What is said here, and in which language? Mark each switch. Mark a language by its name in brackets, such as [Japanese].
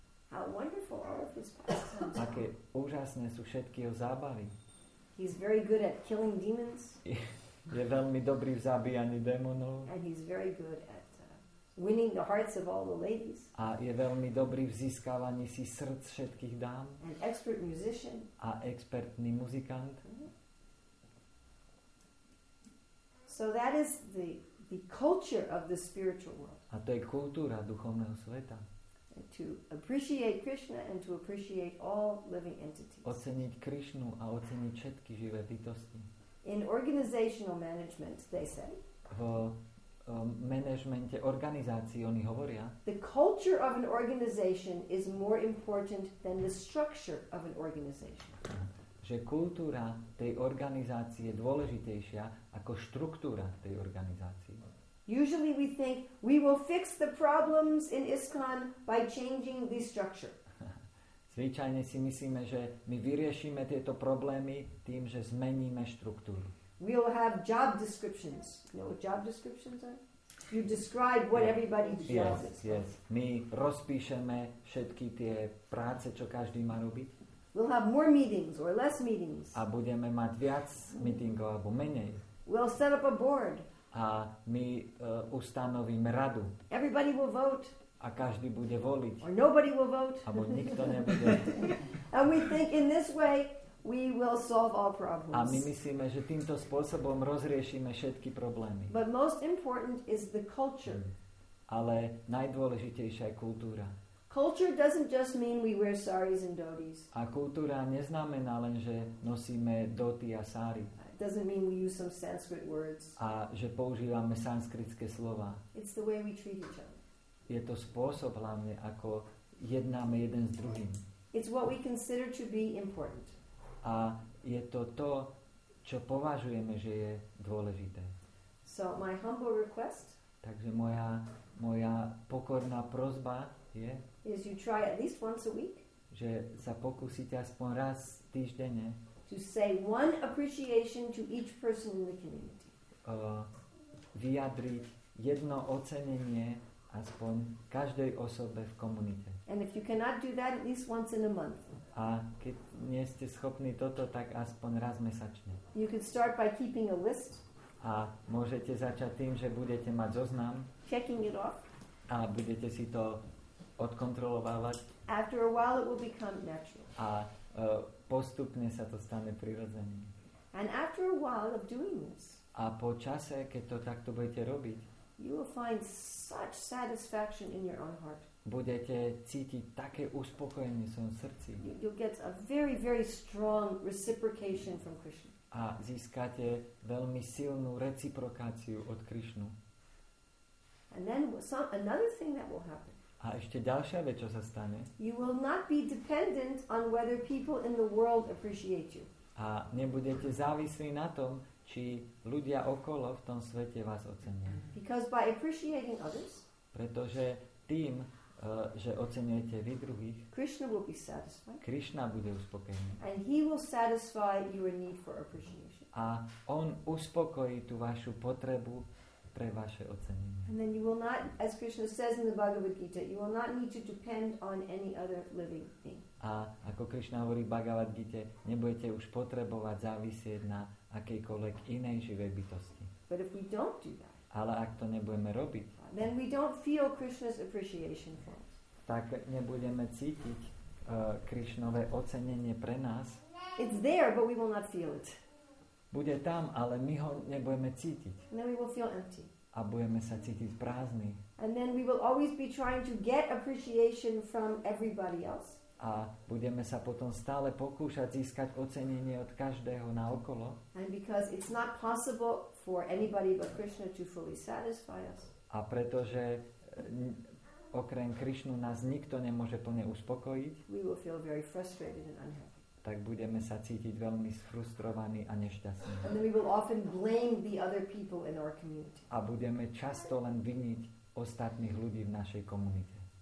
[English] How wonderful all of his pastimes. [Slovak] Aké úžasné sú všetky jeho zábavy. [English] He's very good at killing demons. [Slovak] Je veľmi dobrý v zabíjaní démonov. [English] And he's very good at winning the hearts of all the ladies. [Slovak] A je veľmi dobrý v získavaní si srdc všetkých dám. [English] An expert musician. [Slovak] A expertný muzikant. [English] So that is the culture of the spiritual world. [Slovak] A to je kultúra duchovného sveta. [English] To appreciate Krishna and to appreciate all living entities. [Slovak] Oceniť Krishnu a oceniť všetky živé bytosti. [English] In organizational management, they say. [Slovak] V manažmente organizácií oni hovoria. [English] The culture of an organization is more important than the structure of an organization. [Slovak] že kultúra tej organizácie je dôležitejšia ako štruktúra tej organizácie. [English] Usually we think we will fix the problems in ISKCON by changing the structure. [Slovak] Zvyčajne si myslíme, že my vyriešime tieto problémy tým, že zmeníme štruktúru. [English] We will have job descriptions. You know what job descriptions are? You describe what everybody does. Yes, yes. [Slovak] My rozpíšeme všetky tie práce, čo každý má robiť. [English] We'll have more meetings or less meetings. [Slovak] A budeme mať viac meetingov alebo menej. [English] We'll set up a board. [Slovak] A my ustanovíme radu. [English] Everybody will vote. [Slovak] A každý bude voliť. [English] Or nobody will vote. [Slovak] Abo nikto nebude. [English] And we think in this way we will solve all problems. [Slovak] A my myslíme, že týmto spôsobom rozriešime všetky problémy. [English] But most important is the culture. [Slovak] Ale najdôležitejšia je kultúra. [English] Culture doesn't just mean we wear saris and dhotis. [Slovak] A kultúra neznamená len, že nosíme dhoti a sari. [English] It doesn't mean we use some Sanskrit words. [Slovak] A že používame sanskritské slova. [English] It's the way we treat each other. [Slovak] Je to spôsob hlavne, ako jednáme jeden s druhým. [English] It's what we consider to be important. [Slovak] A je to to, čo považujeme, že je dôležité. [English] So my humble request. [Slovak] Takže moja pokorná prosba je, [English] is you try at least once a week, [Slovak] že sa pokúsite aspoň raz týždenne, [English] to say one appreciation to each person in the community. [Slovak] Vyjadriť jedno ocenenie aspoň každej osobe v komunite. [English] And if you cannot do that at least once in a month. [Slovak] A keď nie ste schopní toto, tak aspoň raz mesačne. [English] You can start by keeping a list. [Slovak] A môžete začať tým, že budete mať zoznam. [English] Checking it off. [Slovak] A budete si to odkontrolovávať. [English] After a while it will become natural. [Slovak] A postupne sa to stane prirodzeným. [English] And after a while of doing this. [Slovak] A po čase, keď to takto budete robiť, [English] you will find such satisfaction in your own heart. [Slovak] Budete cítiť také uspokojenie v svojom srdci. [English] You'll get a very, very strong reciprocation from Krishna. [Slovak] A získate veľmi silnú reciprokáciu od Krishnu. [English] And then another thing that will happen. [Slovak] A ešte ďalšia vec, čo sa stane. [English] You will not be dependent on whether people in the world appreciate you. [Slovak] A nebudete závislí na tom, či ľudia okolo v tom svete vás ocenia. [English] Because by appreciating others, [Slovak] pretože tým, že oceňujete vy druhých, [English] Krishna will be satisfied. [Slovak] Krishna bude uspokojený. [English] And he will satisfy your need for appreciation. [Slovak] A on uspokojí tú vašu potrebu pre vaše ocenenie. [English] And then you will not, as Krishna says in the Bhagavad Gita, you will not need to depend on any other living thing. [Slovak] A ako Krishna hovorí v Bhagavad Gita, nebudete už potrebovať závisieť na akejkoľvek inej živej bytosti. [English] But if we don't do that, [Slovak] ale ak to nebudeme robiť, [English] then we don't feel Krishna's appreciation for us. [Slovak] Tak nebudeme cítiť Krishnové ocenenie pre nás. [English] It's there, but we will not feel it. [Slovak] Bude tam, ale my ho nebudeme cítiť. [English] And then we will feel empty. [Slovak] A budeme sa cítiť prázdni. [English] And then we will always be trying to get appreciation from everybody else. [Slovak] A budeme sa potom stále pokúšať získať ocenenie od každého naokolo. [English] And because it's not possible for anybody but Krishna to fully satisfy us. [Slovak] A pretože okrem Krishnu nás nikto nemôže plne uspokojiť, [English] we will feel very frustrated and unhappy. [Slovak] Tak budeme sa cítiť veľmi frustrovaní a nešťastní. [English] And then we will often blame the other people in our community. [Slovak] A budeme často len viniť ostatných ľudí v našej komunite.